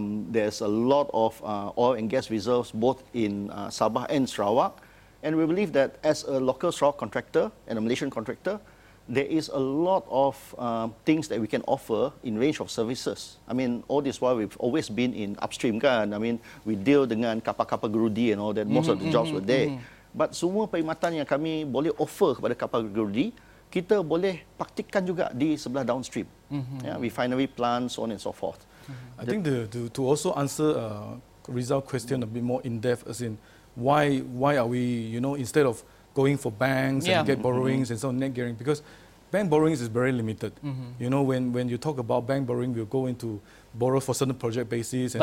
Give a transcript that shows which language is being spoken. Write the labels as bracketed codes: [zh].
[en] There's a lot of oil and gas reserves both in Sabah and Sarawak. And we believe that as a local Sarawak contractor and a Malaysian contractor, there is a lot of things that we can offer in range of services. I mean, all this while we've always been in upstream, kan? I mean, we deal [ms] dengan kapal-kapal gerudi [en] and all that. Most of the jobs were there. [ms] But semua perkhidmatan yang kami boleh offer kepada kapal gerudi, kita boleh praktikkan juga di sebelah downstream. [en] Yeah, refinery plants, so on and so forth. I think to also answer Rizal's question a bit more in depth, as in why are we, you know, instead of going for banks and get borrowings and so on, net gearing, because bank borrowings is very limited. You know, when you talk about bank borrowing, we'll go into borrow for certain project basis.